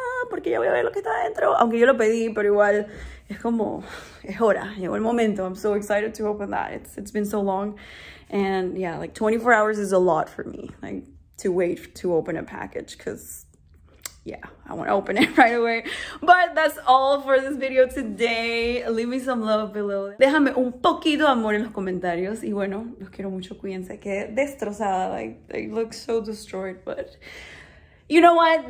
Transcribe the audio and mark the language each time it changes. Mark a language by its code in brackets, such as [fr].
[es] Porque ya voy a ver lo que está adentro. Aunque yo lo pedí, pero igual es como, es hora, llegó el momento. [en] I'm so excited to open that. It's been so long. And yeah, like 24 hours is a lot for me. Like to wait to open a package. Because yeah, I want to open it right away. But that's all for this video today. Leave me some love below. [es] Déjame un poquito de amor en los comentarios. Y bueno, los quiero mucho. Cuídense, que destrozada. [en] Like, they look so destroyed, but you know what?